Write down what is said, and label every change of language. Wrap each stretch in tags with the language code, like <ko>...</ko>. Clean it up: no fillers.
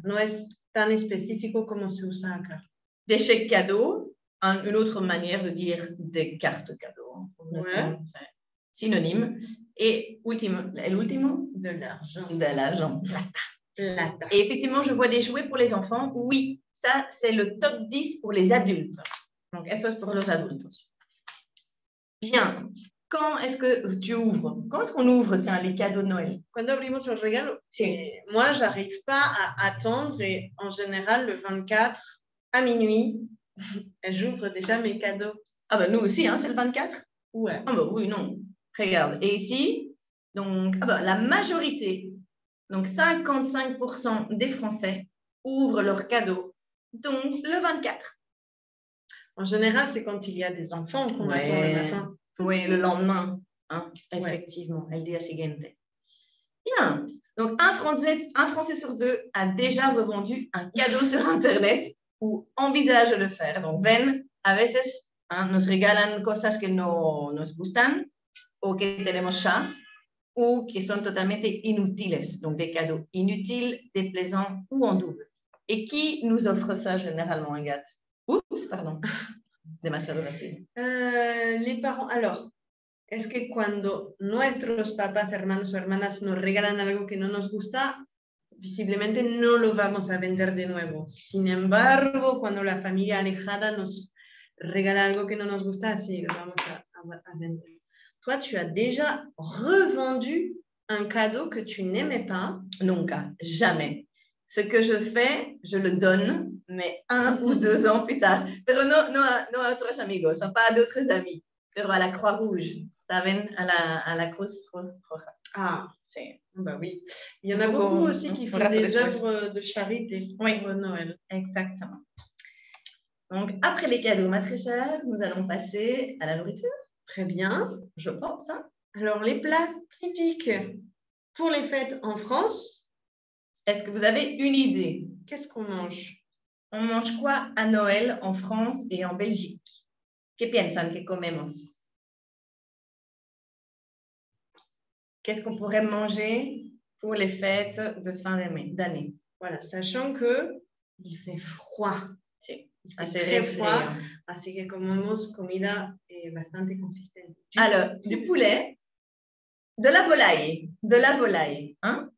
<es>No es tan específico como se usa acá.</es> <fr>Des chèques cadeaux, hein, une autre manière de dire des cartes cadeaux. Hein. Ouais. Synonyme. Et l'ultime. De l'argent.</fr> <es>Plata.</es> <fr>Et effectivement, je vois des jouets pour les enfants. Oui, ça, c'est le top 10 pour les adultes.</fr> <es>Donc, eso es pour los adultos. Bien.</es> <fr>Quand est-ce que tu ouvres? Quand est-ce qu'on ouvre, tiens, les cadeaux de Noël?</fr> <es>Cuando abrimos los regalos. Sí.</es> <fr>Moi, je n'arrive pas à attendre. Et en général, le 24 à minuit, j'ouvre déjà mes cadeaux. Ah ben, nous aussi, hein, c'est le 24? Ouais. Ah ben, oui, non. Regarde. Et ici, donc, la majorité... Donc, 55% des Français ouvrent leurs cadeaux, donc le 24. En général, c'est quand il y a des enfants qu'on attend le matin. Oui, le lendemain. Hein, effectivement,</fr> <es>el día siguiente.</es> <fr>Bien. Donc, un Français sur deux a déjà revendu un cadeau sur Internet ou envisage de le faire.</fr> <es>Donc, ven, a veces hein, nos regalan cosas que no nos gustan o que tenemos ya.</es> <fr>Ou qui sont totalement inutiles, donc des cadeaux inutiles, déplaisants ou en double. Et qui nous offre ça généralement, Agathe? Oups, pardon.</fr> <es>Demasiado rápido.</es> <fr>Les parents. Alors, est-ce que</fr> <es>cuando nuestros papás, hermanos o hermanas nos regalan algo que no nos gusta, visiblemente no lo vamos a vender de nuevo. Sin embargo, cuando la familia alejada nos regala algo que no nos gusta, sí, lo vamos a vender.</es> <fr>Toi, tu as déjà revendu un cadeau que tu n'aimais pas?</fr> <es>Nunca, jamais.</es> <fr>Ce que je fais, je le donne, mais un ou deux ans plus tard.</fr> <es>Pero no a otros amigos,</es> <fr>pas à d'autres amis.</fr> <es>Pero</es> <fr>à la Croix-Rouge,</fr> <es>¿saben? A la Cruz Roja. Ah, sí.</es> <fr>Bah oui. Il y en a beaucoup aussi qui font des œuvres de charité pour Noël. Exactement. Donc, après les cadeaux, ma très chère, nous allons passer à la nourriture. Très bien, je pense. Hein. Alors, les plats typiques pour les fêtes en France. Est-ce que vous avez une idée? Qu'est-ce qu'on mange? On mange quoi à Noël en France et en Belgique?</fr> <es>¿Qué piensan que comemos?</es> <fr>Qu'est-ce qu'on pourrait manger pour les fêtes de fin d'année? Voilà, sachant que il fait froid. Assez très froid,</fr> <es>así que comemos comida bastante consistente.</es> <fr>Alors, du poulet, de la volaille, hein?</fr>